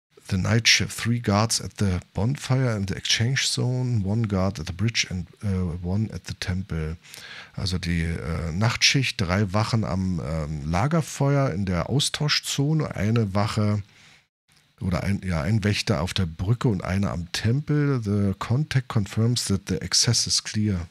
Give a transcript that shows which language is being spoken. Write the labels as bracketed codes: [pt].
[en] The night shift, 3 guards at the bonfire in the exchange zone, 1 guard at the bridge and 1 at the temple. [de] Also die Nachtschicht, 3 Wachen am Lagerfeuer in der Austauschzone, eine Wache... Oder ein Wächter auf der Brücke und einer am Tempel. [en] The contact confirms that the access is clear.